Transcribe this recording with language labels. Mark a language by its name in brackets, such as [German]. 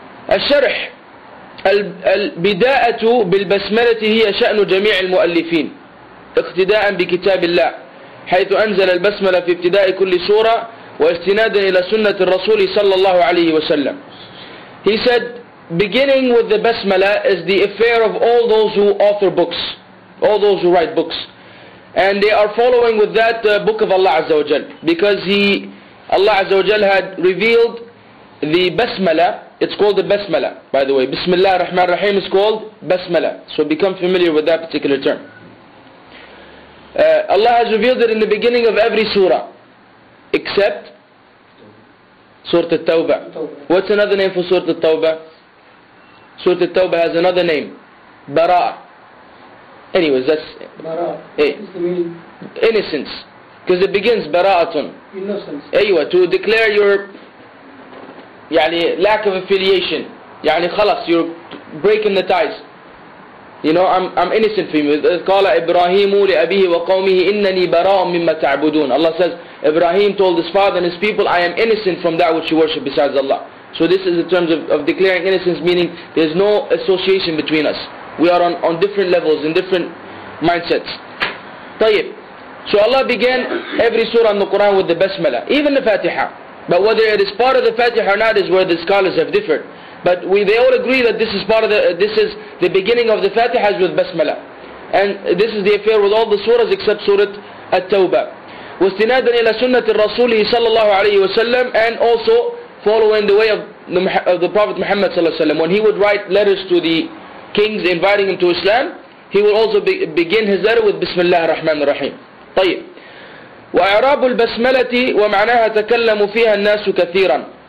[Arabic] الشرح البداءة بالبسملة هي شأن جميع المؤلفين اقتداء بكتاب الله حيث أنزل البسملة في ابتداء كل سورة واستنادا إلى سنة الرسول صلى الله عليه وسلم. [English] He said, beginning with the basmala is the affair of all those who author books, all those who write books. And they are following with that book of Allah Azza wa Jal. Because Allah Azza wa Jal had revealed the Basmala. It's called the Basmala, by the way. Bismillah ar-Rahman ar-Rahim is called Basmala. So become familiar with that particular term. Allah has revealed it in the beginning of every surah. Except Surah At-Tawbah. What's another name for Surah At-Tawbah? Surah At-Tawbah has another name. Bara'ah. Anyways, that's Bara'ah. Innocence. Because it begins Bara'atun. Innocence. Aywa, to declare your يعني, lack of affiliation. يعني, خلاص, you're breaking the ties. You know, I'm innocent for you. [Arabic] قال إبراهيم لأبيه وقومه إنني براء مما تعبدون. [English] Allah says, Ibrahim told his father and his people, I am innocent from that which you worship besides Allah. So this is in terms of declaring innocence, meaning there's no association between us. We are on different levels, in different mindsets. طيب. So Allah began every surah in the Quran with the basmala, even the Fatiha. But whether it is part of the Fatiha or not is where the scholars have differed. But they all agree that this is part of this is the beginning of the Fatiha is with basmala. And this is the affair with all the surahs except Surah At-Tawbah. [Arabic] واستنادا الى سنة الرسول صلى الله عليه وسلم, [English] and also following the way of the Prophet Muhammad صلى الله عليه وسلم. When he would write letters to the kings inviting him to Islam, he would also begin his letter with بسم الله الرحمن الرحيم. [Arabic] طيب. وإعراب البسملة ومعناها تكلم فيها الناس كثيرا.